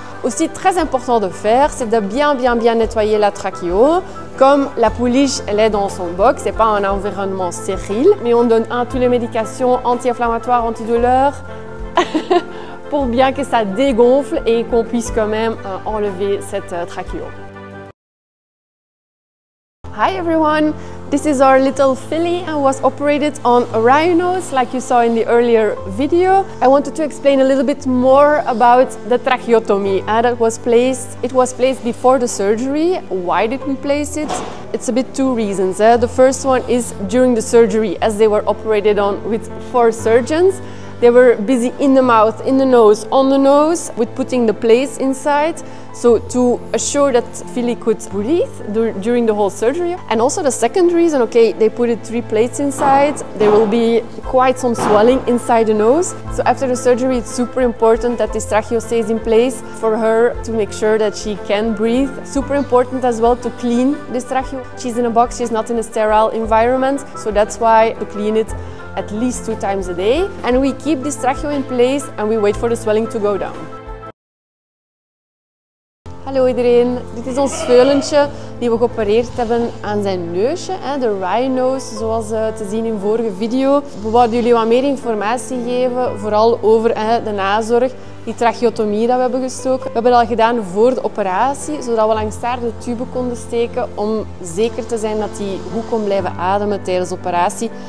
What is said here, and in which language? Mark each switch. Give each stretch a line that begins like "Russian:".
French: Aussi très important de faire, c'est de bien nettoyer la trachéo. Comme la pouliche, elle est dans son box, c'est pas un environnement stérile, mais on donne toutes les médications anti-inflammatoires, antidouleurs, pour bien que ça dégonfle et qu'on puisse quand même enlever cette trachéo.
English: Hi everyone, this is our little filly who was operated on a rhinos, like you saw in the earlier video. I wanted to explain a little bit more about the tracheotomy that was placed. It was placed before the surgery. Why did we place it? It's a bit two reasons. The first one is during the surgery, as they were operated on with four surgeons. They were busy in the mouth, in the nose, on the nose with putting the plates inside. So to assure that Philly could breathe during the whole surgery. And also the second reason, okay, they put it three plates inside. There will be quite some swelling inside the nose. So after the surgery, it's super important that this tracheo stays in place for her to make sure that she can breathe. Super important as well to clean this tracheo. She's in a box, she's not in a sterile environment. So that's why to clean it at least two times a day. And we keep this tracheo in place and we wait for the swelling to go down.
Dutch: Hallo iedereen, dit is ons veulentje die we geopereerd hebben aan zijn neusje, de rhinos, zoals te zien in vorige video. We wilden jullie wat meer informatie geven, vooral over de nazorg, die tracheotomie dat we hebben gestoken. We hebben dat al gedaan voor de operatie, zodat we langs daar de tube konden steken om zeker te zijn dat hij goed kon blijven ademen tijdens de operatie.